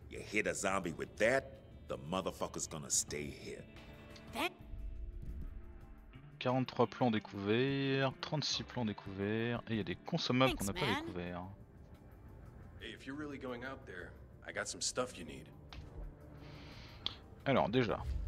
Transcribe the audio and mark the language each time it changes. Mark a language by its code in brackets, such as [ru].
[en] You hit a zombie with that, the motherfucker's gonna stay here. [fr] 43 plans découverts, 36 plans découverts, et il y a des consommables qu'on n'a pas découverts. [en] Hey, if you're really going out there, I got some stuff you need. [fr] Alors déjà.